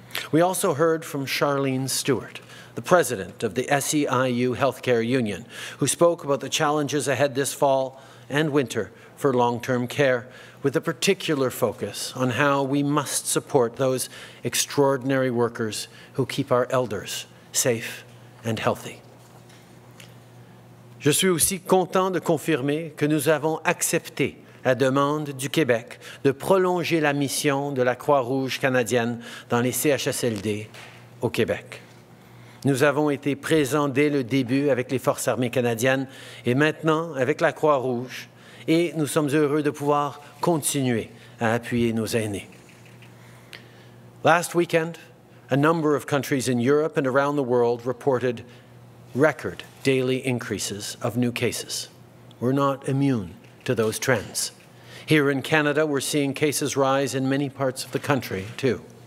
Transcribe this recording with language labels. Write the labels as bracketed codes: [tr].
[en] We also heard from Charlene Stewart, the president of the SEIU Healthcare Union, who spoke about the challenges ahead this fall and winter for long-term care, with a particular focus on how we must support those extraordinary workers who keep our elders safe and healthy. [fr] Je suis aussi content de confirmer que nous avons accepté la demande du Québec de prolonger la mission de la Croix-Rouge canadienne dans les CHSLD au Québec. Nous avons été présents dès le début avec les Forces armées canadiennes et maintenant avec la Croix-Rouge, et nous sommes heureux de pouvoir continuer à appuyer nos aînés. [en] Last weekend, a number of countries in Europe and around the world reported record daily increases of new cases. We're not immune to those trends. Here in Canada, we're seeing cases rise in many parts of the country, too.